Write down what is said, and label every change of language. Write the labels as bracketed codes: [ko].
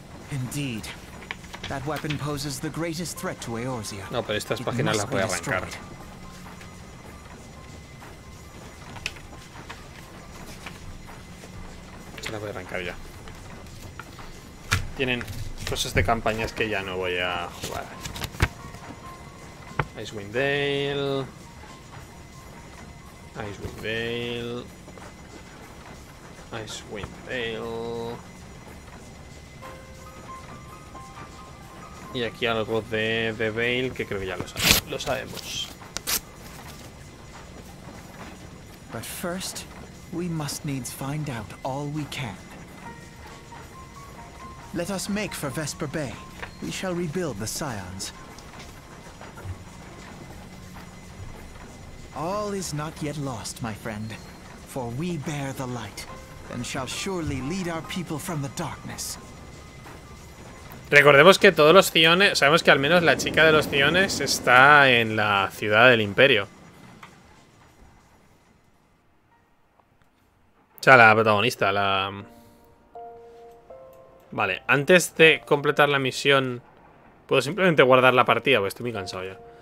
[en] Indeed, that weapon poses the greatest threat to Eorzea. [es] No, pero estas páginas las voy a arrancar. Se las voy a arrancar ya. Tienen cosas de campañas que ya no voy a jugar. [en] Icewind Dale. Icewind Dale. Icewind Dale. [es] Y aquí algo de The Veil, que creo que ya lo sabemos. [en] But first, we must needs find out all we can. Let us make for Vesper Bay. We shall rebuild the Scions. All is not yet lost, my friend. For we bear the light, and shall surely lead our people from the darkness. [es] Recordemos que todos los ciones, sabemos que al menos la chica de los ciones está en la ciudad del imperio. O sea, la protagonista, la... Vale, antes de completar la misión, puedo simplemente guardar la partida, porque estoy muy cansado ya.